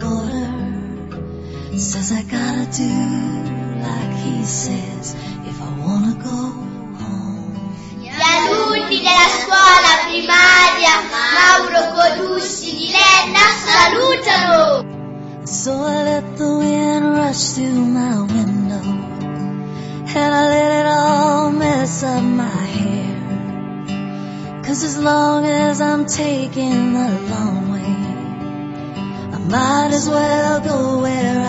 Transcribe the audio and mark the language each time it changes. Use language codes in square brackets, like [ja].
[en] Says I gotta do like he says if I wanna go home. [it] Gli alunni della scuola primaria Mauro Codussi di Lenna salutano. [en] So I let the wind rush through my window and I let it all mess up my hair, 'cause as long as I'm taking the long way I might as well go where